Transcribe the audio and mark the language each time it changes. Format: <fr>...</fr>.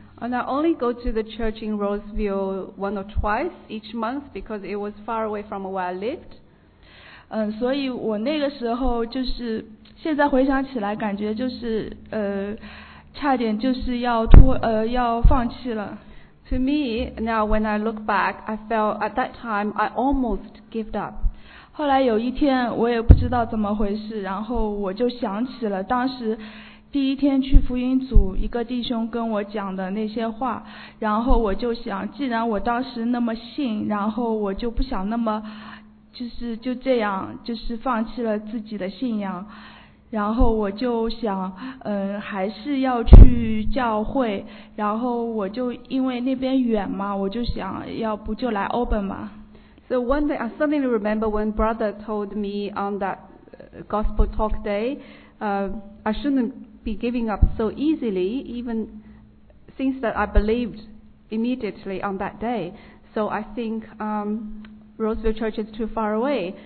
<en>And I only go to the church in Roseville one or twice each month because it was far away from where I lived.</en> <zh>所以我那个时候就是现在回想起来感觉就是差点就是要放弃了。</zh> <en>To me, now when I look back, I felt at that time I almost gave up.</en> <zh>后来有一天我也不知道怎么回事，然后我就想起了当时第一天去福音组一个弟兄跟我讲的那些话，然后我就想，既然我当时那么信，然后我就不想那么就是就这样就是放弃了自己的信仰，然后我就想还是要去教会，然后我就因为那边远嘛，我就想要不就来 Open 嘛。</zh> <en>So one day I suddenly remember when brother told me on that gospel talk day I shouldn't be giving up so easily, even things that I believed immediately on that day. So I think Roseville Church is too far away.</en>